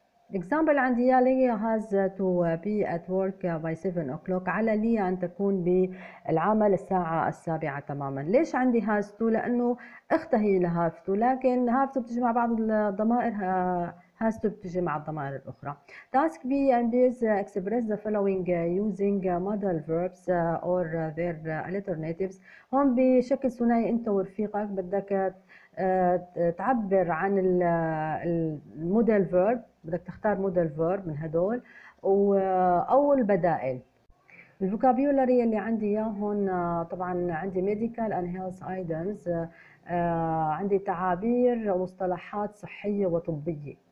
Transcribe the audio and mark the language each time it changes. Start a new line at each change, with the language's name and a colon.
Arabic: الاكزامبل عندي يا ليا
English: has to be at work by 7 o'clock،
Arabic: على ليا ان تكون بالعمل الساعه 7 تماما. ليش عندي has to؟ لانه اختها هي اللي have to، لكن have to بتجي مع بعض الضمائر، has to بتجي مع الضمائر الاخرى.
English: task B and this express the following using modal verbs or their alternatives.
Arabic: هون بشكل ثنائي انت ورفيقك بدك تعبر عن المودل فيرب، بدك تختار مودل فيرب من هدول او البدائل. الفوكابيولاري اللي عندي اياه هون طبعا عندي
English: medical and health items,
Arabic: عندي تعابير ومصطلحات صحيه وطبيه.